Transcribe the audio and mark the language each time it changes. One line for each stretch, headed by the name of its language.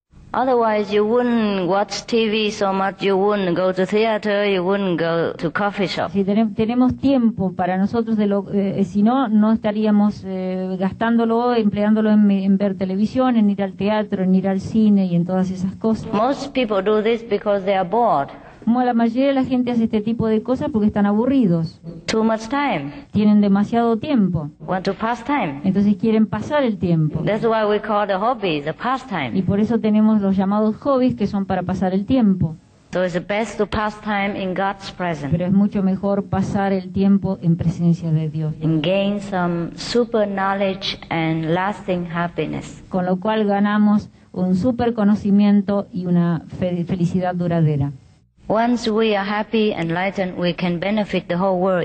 English: Otherwise, you wouldn't watch TV so much. You wouldn't go to theater. You wouldn't go to coffee shop.
Spanish: Si tenemos tiempo para nosotros, si no estaríamos gastándolo, empleándolo en ver televisión, en ir al teatro, en ir al cine y en todas esas cosas.
English: Most people do this because they are bored.
Spanish: Como la mayoría de la gente hace este tipo de cosas porque están aburridos.
English: Too much time.
Spanish: Tienen demasiado tiempo.
English: Want to pass time.
Spanish: Entonces quieren pasar el tiempo.
English: That's why we call the hobbies the pastime.
Spanish: Y por eso tenemos los llamados hobbies que son para pasar el tiempo.
English: So it's best to pass time in God's presence.
Spanish: Pero es mucho mejor pasar el tiempo en presencia de Dios.
English: And gain some super knowledge and lasting happiness.
Spanish: Con lo cual ganamos un super conocimiento y una felicidad duradera.
English: Once we are happy and enlightened, we can benefit the whole world.